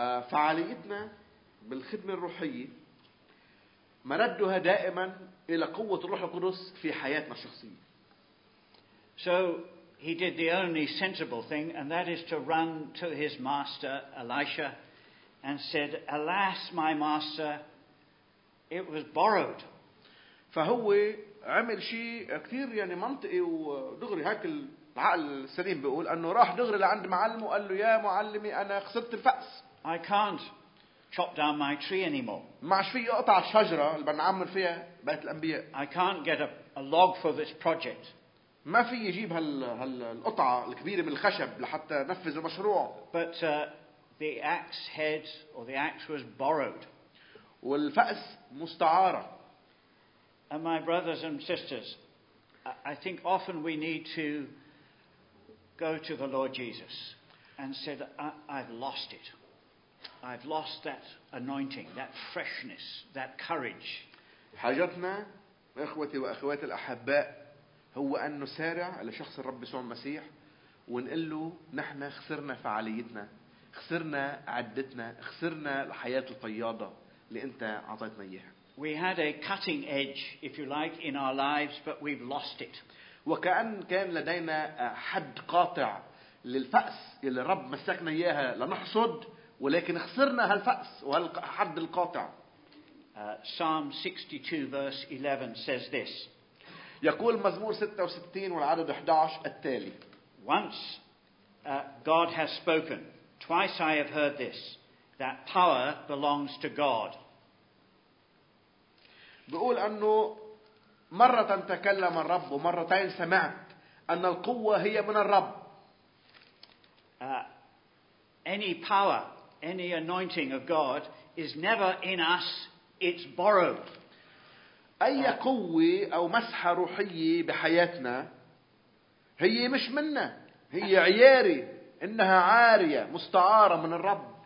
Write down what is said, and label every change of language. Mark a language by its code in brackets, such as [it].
[ar] فعاليتنا بالخدمة الروحية مردها دائما إلى قوة الروح القدس في حياتنا الشخصية. [en] So he did the only sensible thing, and that is to run to his master Elisha and said, "Alas, my master, it was borrowed." [ar] فهو عمل شيء كثير يعني منطقي ودغري هيك العقل السليم بيقول انه راح دغري لعند معلمه وقال له يا معلمي انا خسرت الفأس. [en] I can't chop down my tree anymore. [ar] ما عادش في اقطع الشجره اللي بنعمر فيها بيت الانبياء. [en] I can't get a log for this project. [ar] ما في يجيب هالقطعه الكبيره من الخشب لحتى نفذ المشروع. [en] But the axe head or the axe was borrowed. [ar] والفأس مستعاره. [en] And my brothers and sisters, I think often we need to go to the Lord Jesus and say, I've lost it. I've lost that anointing, that freshness, that courage. [ar] حاجتنا إخوتي وأخواتي الأحباء هو أن نسارع إلى شخص الرب يسوع المسيح ونقول له نحن خسرنا فعاليتنا، خسرنا عدتنا، خسرنا الحياة الفياضة اللي أنت عطيتنا إياها. [en] We had a cutting edge, if you like, in our lives, but we've lost it. [ar] وكأن كان لدينا حد قاطع للفأس اللي رب مسكنا إياها لنحصد، ولكن خسرنا هالفأس وهالحد القاطع. [en] Psalm 62 verse 11 says this. [ar] يقول مزمور 66 والعدد 11 التالي. [en] Once God has spoken, twice I have heard this, that power belongs to God. [ar] بيقول أنه مرة تكلم الرب ومرتين سمعت أن القوة هي من الرب. [en] Any power, any anointing of God is never in us, it's borrowed. [ar] أي قوة أو مسحة روحية بحياتنا هي مش منا، هي عياري، إنها عارية مستعارة من الرب.